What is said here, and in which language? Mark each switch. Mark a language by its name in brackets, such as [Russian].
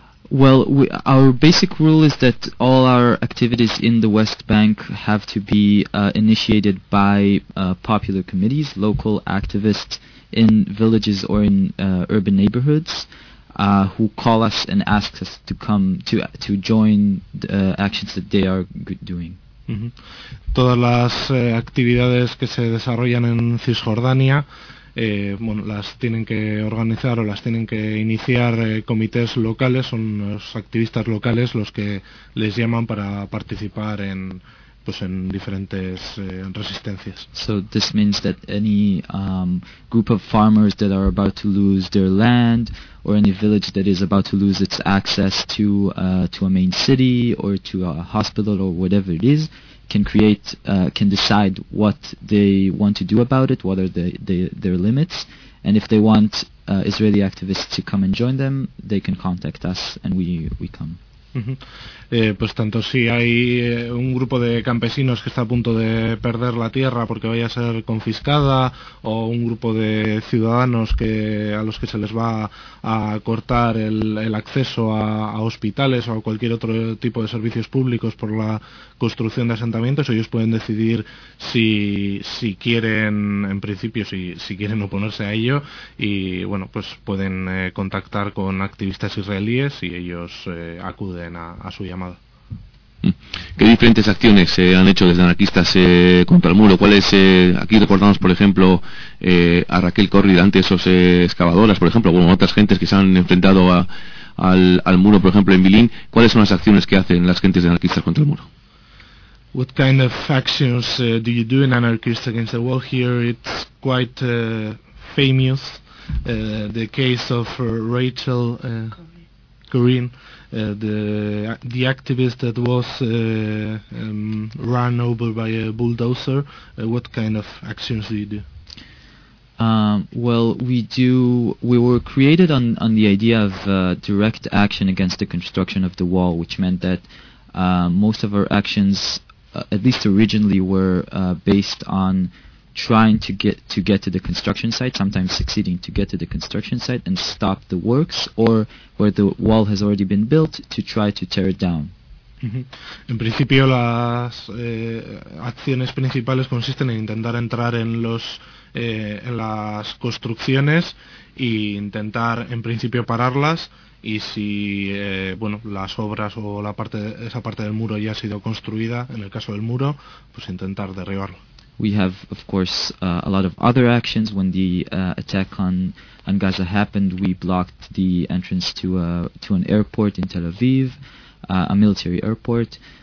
[English] Well, our basic rule is that all our activities in the West Bank have to be initiated by popular committees, local activists in villages or in urban neighborhoods, who call us and ask us to come to join the actions that they are doing. [Spanish] Todas las actividades que se desarrollan en Cisjordania bueno, las tienen que organizar o las tienen que iniciar comités locales, son los activistas locales los que les llaman para participar en pues en diferentes resistencias. So this means that any group of farmers that are about to lose their land, or any village that is about to lose its access to a main city or to a hospital or whatever it is, can create can decide what they want to do about it, what are their limits, and if they want Israeli activists to come and join them, they can contact us and we come. Pues tanto si hay un grupo de campesinos que está a punto de perder la tierra porque vaya a ser confiscada, o un grupo de ciudadanos que a los que se les va a cortar el acceso a hospitales o a cualquier otro tipo de servicios públicos por la construcción de asentamientos, ellos pueden decidir si quieren, en principio, si quieren oponerse a ello, y bueno, pues pueden contactar con activistas israelíes y ellos acuden a su llamada. ¿Qué diferentes acciones se han hecho desde anarquistas contra el muro? ¿Cuáles? Aquí recordamos, por ejemplo, a Raquel Corrida ante esos excavadoras, por ejemplo, bueno, otras gentes que se han enfrentado al muro, por ejemplo, en Bilín. ¿Cuáles son las acciones que hacen las gentes de anarquistas contra el muro? [English] What kind of actions do you do in anarchists against the wall here? It's quite famous, the case of Rachel Corrine, the activist that was run over by a bulldozer. What kind of actions do you do? Well, we were created on the idea of direct action against the construction of the wall, which meant that most of our actions, at least originally, were based on trying to get to the construction site, sometimes succeeding to get to the construction site and stop the works, or where the wall has already been built, to try to tear it down. [Spanish] En principio, las acciones principales consisten en intentar entrar en los en las construcciones e intentar, en principio, pararlas. Y si bueno, las obras o la parte de, esa parte del muro ya ha sido construida, en el caso del muro, pues intentar derribarlo. [English] We have, of course, a lot of other actions. When the attack on Gaza happened, we blocked the entrance to an airport in Tel Aviv, a military airport.